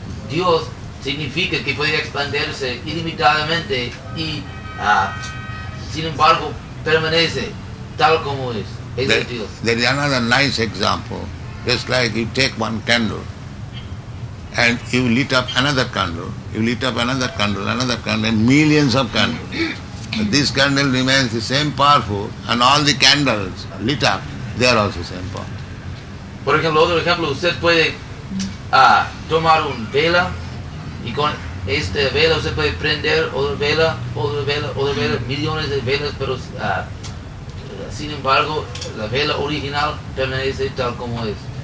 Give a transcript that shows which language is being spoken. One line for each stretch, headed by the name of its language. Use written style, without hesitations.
Spanish: Dios significa que puede expandirse ilimitadamente y sin embargo permanece tal como es.
English: There is another nice example Just like you take one candle and you lit up another candle, you lit up another candle, and millions of candles. But this candle remains the same powerful, and all the candles lit up, they are also same powerful.
Spanish: Por ejemplo, otro ejemplo, usted puede tomar un vela y con esta vela usted puede prender otra vela, millones de velas, pero sin embargo, la vela original permanece tal como es.